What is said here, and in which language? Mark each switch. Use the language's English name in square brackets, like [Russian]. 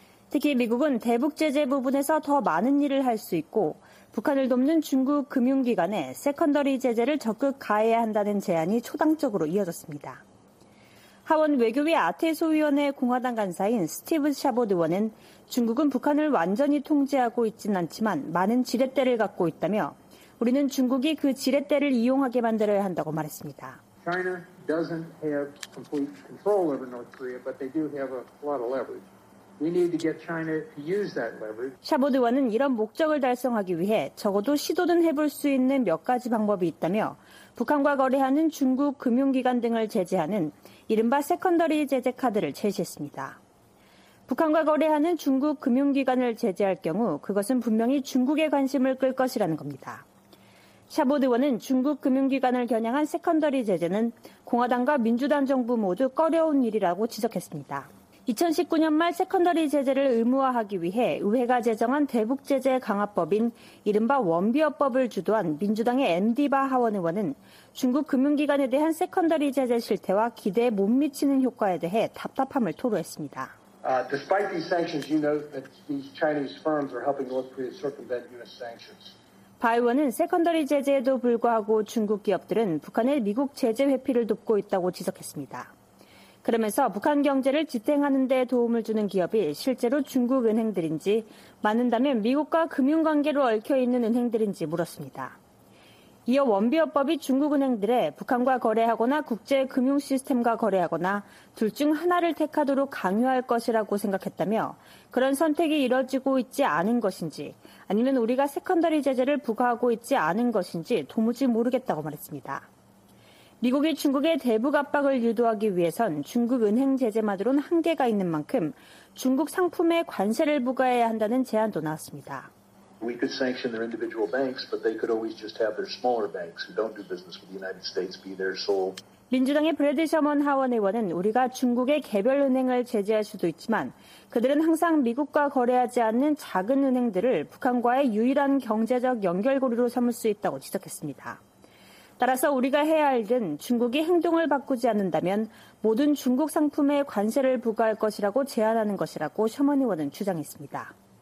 [Korean] 특히 미국은 대북 제재 부분에서 더 많은 일을 할 수 있고 북한을 돕는 중국 금융기관에 세컨더리 제재를 적극 가해야 한다는 제안이 초당적으로 이어졌습니다. 하원 외교위 아태소 위원회 공화당 간사인 스티브 샤봇 의원은 중국은 북한을 완전히 통제하고 있진 않지만 많은 지렛대를 갖고 있다며 우리는 중국이 그 지렛대를 이용하게 만들어야 한다고 말했습니다. [English] China doesn't have complete control over North Korea, but they do have a lot of leverage. We need to get China to use that leverage. [Korean] 샤봇 의원은 이런 목적을 달성하기 위해 적어도 시도는 해볼 수 있는 몇 가지 방법이 있다며 북한과 거래하는 중국 금융기관 등을 제재하는 이른바 세컨더리 제재 카드를 제시했습니다. 북한과 거래하는 중국 금융기관을 제재할 경우 그것은 분명히 중국의 관심을 끌 것이라는 겁니다. 샤봇 의원은 중국 금융기관을 겨냥한 세컨더리 제재는 공화당과 민주당 정부 모두 꺼려운 일이라고 지적했습니다. 2019년 말 세컨더리 제재를 의무화하기 위해 의회가 제정한 대북 제재 강화법인 이른바 원비어법을 주도한 민주당의 MD바 하원 의원은 중국 금융기관에 대한 세컨더리 제재 실태와 기대에 못 미치는 효과에 대해 답답함을 토로했습니다. [English] Despite these sanctions, you know that these Chinese firms are helping North Korea circumvent U.S. sanctions. [Korean] 바 의원은 세컨더리 제재에도 불구하고 중국 기업들은 북한의 미국 제재 회피를 돕고 있다고 지적했습니다. 그러면서 북한 경제를 지탱하는 데 도움을 주는 기업이 실제로 중국 은행들인지 많은다면 미국과 금융관계로 얽혀있는 은행들인지 물었습니다. 이어 원비어법이 중국 은행들에 북한과 거래하거나 국제 금융 시스템과 거래하거나 둘 중 하나를 택하도록 강요할 것이라고 생각했다며 그런 선택이 이뤄지고 있지 않은 것인지 아니면 우리가 세컨더리 제재를 부과하고 있지 않은 것인지 도무지 모르겠다고 말했습니다. 미국이 중국의 대북 압박을 유도하기 위해선 중국 은행 제재마저는 한계가 있는 만큼 중국 상품에 관세를 부과해야 한다는 제안도 나왔습니다. [English] We could sanction their individual banks, but they could always just have their smaller banks who don't do business with the United States be their sole. [Korean] 민주당의 브래드 셔먼 하원 의원은 우리가 중국의 개별 은행을 제재할 수도 있지만 그들은 항상 미국과 거래하지 않는 작은 은행들을 북한과의 유일한 경제적 연결고리로 삼을 수 있다고 지적했습니다. 따라서 우리가 해야 할 일은 중국이 행동을 바꾸지 않는다면 모든 중국 상품에 관세를 부과할 것이라고 제안하는 것이라고 셔먼 의원은 주장했습니다.